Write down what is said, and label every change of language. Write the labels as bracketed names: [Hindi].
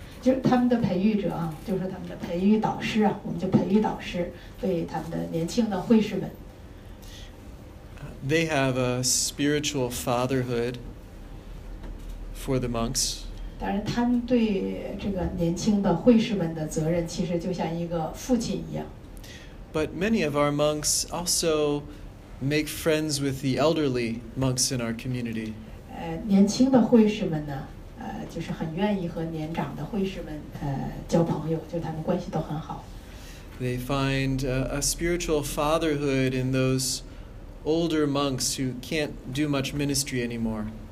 [Chinese] 就是他们的培育者啊，就是他们的培育导师啊，我们就培育导师对他们的年轻的会士们。 [English] They have a spiritual fatherhood for the monks. [Chinese] 当然，他们对这个年轻的会士们的责任，其实就像一个父亲一样。 [English] But many of our monks also make friends with the elderly monks in our community. [Chinese] 年轻的会士们呢？就是很愿意和年长的会士们交朋友，就他们关系都很好。 [English] They find a spiritual fatherhood in those older monks who can't do much ministry anymore.